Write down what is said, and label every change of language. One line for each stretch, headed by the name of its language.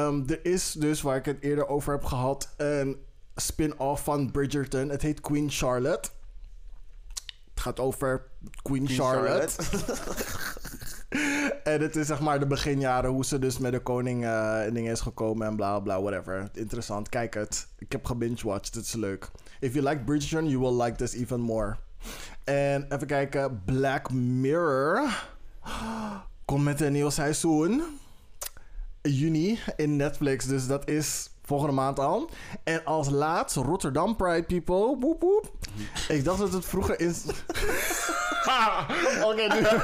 Dutch: Er is dus, waar ik het eerder over heb gehad, een spin-off van Bridgerton. Het heet Queen Charlotte. Het gaat over Queen Charlotte. En het is zeg maar de beginjaren. Hoe ze dus met de koning in dingen is gekomen. En bla bla, whatever. Interessant. Kijk het. Ik heb gebinge-watched. Het is leuk.
English: If you like Bridgerton, you will like this even more.
Dutch: En even kijken. Black Mirror. Komt met een nieuw seizoen. Juni in Netflix. Dus dat is... volgende maand al. En als laatst Rotterdam Pride People. Boep, boep. Ik dacht dat het vroeger is... Oké, nu...